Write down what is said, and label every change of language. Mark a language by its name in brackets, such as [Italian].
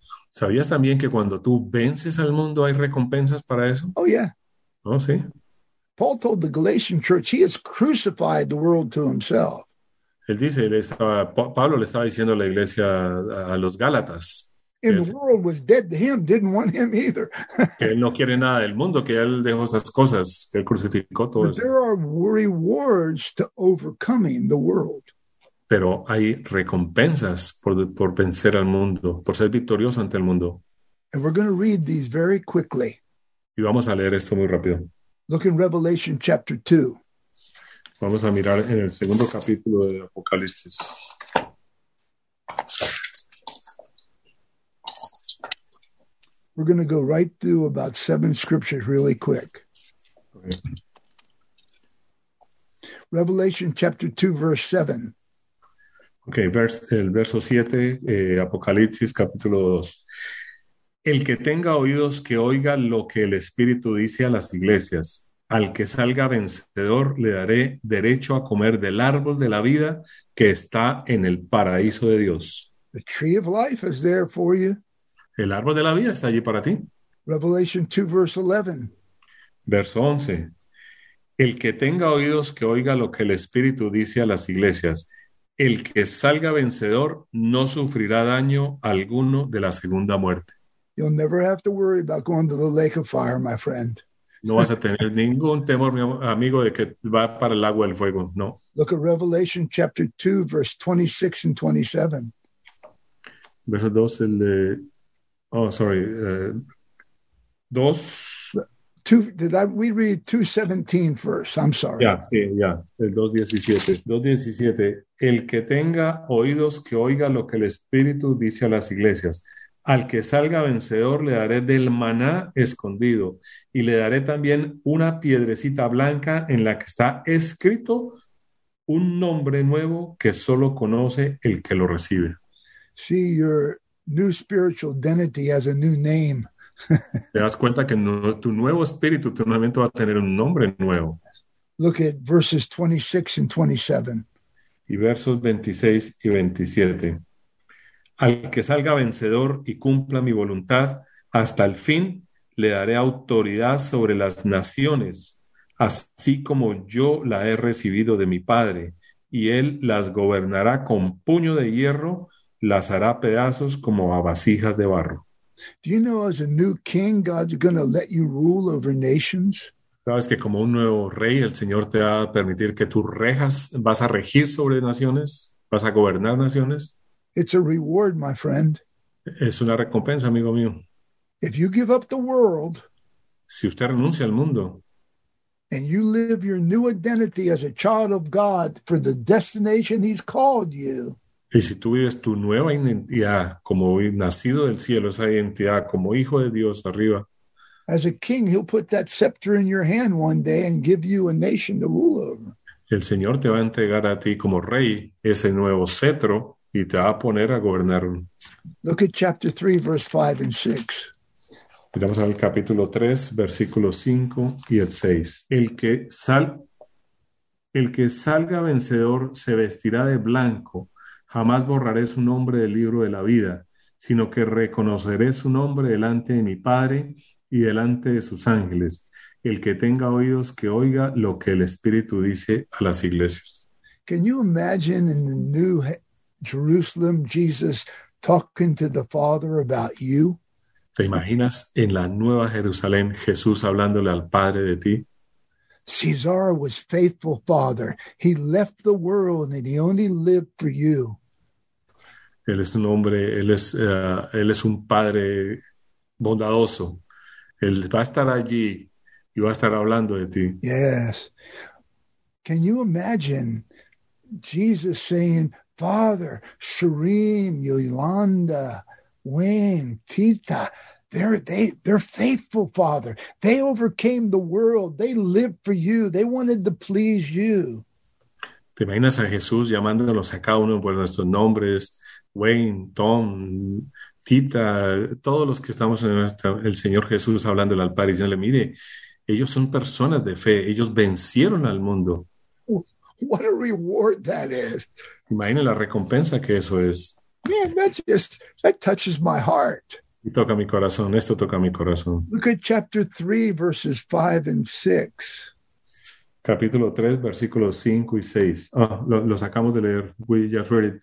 [Spanish] ¿Sabías también que cuando tú vences al mundo hay recompensas para eso? [English] Oh, yeah. [Spanish] Oh, sí. [English] Paul told the Galatian church he has crucified the world to himself. [Spanish] Él dice, Pablo le estaba diciendo a la iglesia a los Gálatas. [English] And the world was dead to him, didn't want him either. [Spanish] Que él no quiere nada del mundo, que él dejó esas cosas, que él crucificó todo [English] but [Spanish] eso. [English] There are rewards to overcoming the world. [Spanish] Pero hay recompensas por vencer al mundo, por ser victorioso ante el mundo. [English] And we're going to read these very quickly. [Spanish] Y vamos a leer esto muy rápido. [English] Look in Revelation chapter 2. [Spanish] Vamos a mirar en el segundo capítulo de Apocalipsis. [English] We're going to go right through about 7 scriptures really quick. Okay. Revelation chapter 2, verse 7. [Spanish] Okay, verso 7, Apocalipsis capítulo 2. El que tenga oídos que oiga lo que el Espíritu dice a las iglesias. Al que salga vencedor le daré derecho a comer del árbol de la vida que está en el paraíso de Dios. [English] The tree of life is there for you. [Spanish] El árbol de la vida está allí para ti. [English] Revelation 2, verse 11. [Spanish] Verso 11. El que tenga oídos que oiga lo que el Espíritu dice a las iglesias. El que salga vencedor no sufrirá daño alguno de la segunda muerte. [English] You'll never have to worry about going to the lake of fire, my friend. [Spanish] No vas a tener ningún temor, mi amigo, de que va para el agua del fuego, no. [English] Look at Revelation chapter 2, verse 26 and 27. [Spanish] Verso 2, el de... [English] Oh, sorry. 2... We read 2:17 first, I'm sorry. Yeah. [Spanish] El 2:17. El que tenga oídos que oiga lo que el Espíritu dice a las iglesias. Al que salga vencedor le daré del maná escondido y le daré también una piedrecita blanca en la que está escrito un nombre nuevo que solo conoce el que lo recibe. [English] See, your new spiritual identity has a new name. [Spanish] Te das cuenta que tu nuevo espíritu, tu nuevo mente va a tener un nombre nuevo. [English] Look at verses 26 and 27. [Spanish] Y versos 26 y 27. Al que salga vencedor y cumpla mi voluntad, hasta el fin le daré autoridad sobre las naciones, así como yo la he recibido de mi Padre, y él las gobernará con puño de hierro, las hará pedazos como a vasijas de barro. [English] Do you know, as a new king, God's going to let you rule over nations? [Spanish] ¿Sabes que como un nuevo rey, el Señor te va a permitir que tú rejas, vas a regir sobre naciones, vas a gobernar naciones? [English] It's a reward, my friend. [Spanish] Es una recompensa, amigo mío. [English] If you give up the world, [Spanish] si usted renuncia al mundo, [English] and you live your new identity as a child of God for the destination he's called you, [Spanish] y si tú vives tu nueva identidad como nacido del cielo, esa identidad como hijo de Dios arriba, [English] as a king, he'll put that scepter in your hand one day and give you a nation to rule over. [Spanish] El Señor te va a entregar a ti como rey ese nuevo cetro. Y te va a poner a gobernar. [English] Look at chapter 3, verse 5 and 6. [Spanish] Miramos al capítulo 3, versículo 5 y el 6. El que salga vencedor se vestirá de blanco. Jamás borraré su nombre del libro de la vida, sino que reconoceré su nombre delante de mi Padre y delante de sus ángeles. El que tenga oídos que oiga lo que el Espíritu dice a las iglesias. [English] Can you imagine in the New Jerusalem, Jesus talking to the Father about you? [Spanish] ¿Te imaginas en la Nueva Jerusalén Jesús hablándole al Padre de ti? [English] Cesar was faithful, Father. He left the world and he only lived for you. [Spanish] Él es un hombre, él es un padre bondadoso. Él va a estar allí y va a estar hablando de ti. [English] Yes. Can you imagine Jesus saying, Father, Shireem, Yolanda, Wayne, Tita, they're faithful, Father. They overcame the world. They lived for you. They wanted to please you. [Spanish] ¿Te imaginas a Jesús llamándolos a cada uno por nuestros nombres? Wayne, Tom, Tita, todos los que estamos en el Señor Jesús hablando al Padre, diciéndole, mire, ellos son personas de fe. Ellos vencieron al mundo. [English] What a reward that is. [Spanish] Imagina la recompensa que eso es. [English] Man, that touches my heart. [Spanish] Y toca mi corazón. Esto toca mi corazón. Look at chapter 3, verses 5 and 6. Capítulo 3, versículos 5 y 6. Oh, lo sacamos de leer. [English] We just read it.